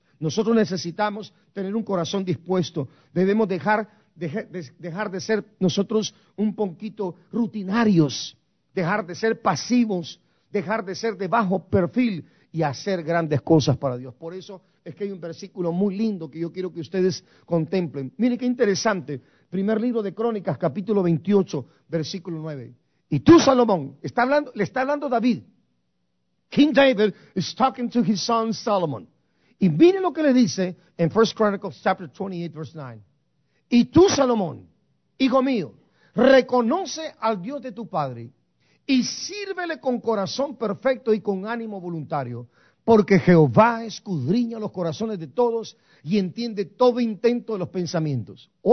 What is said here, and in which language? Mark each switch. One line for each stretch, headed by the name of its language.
Spanish: Nosotros necesitamos tener un corazón dispuesto. Debemos dejar de ser nosotros un poquito rutinarios, dejar de ser pasivos, dejar de ser de bajo perfil y hacer grandes cosas para Dios. Por eso es que hay un versículo muy lindo que yo quiero que ustedes contemplen. Miren qué interesante. Primer libro de Crónicas, capítulo 28, versículo 9. Y tú, Salomón, le está hablando David.
English: King David is talking to his son Solomon.
Spanish: Y miren lo que le dice en
English: 1 Chronicles, chapter 28, verse 9.
Spanish: Y tú, Salomón, hijo mío, reconoce al Dios de tu padre y sírvele con corazón perfecto y con ánimo voluntario, porque Jehová escudriña los corazones de todos y entiende todo intento de los pensamientos.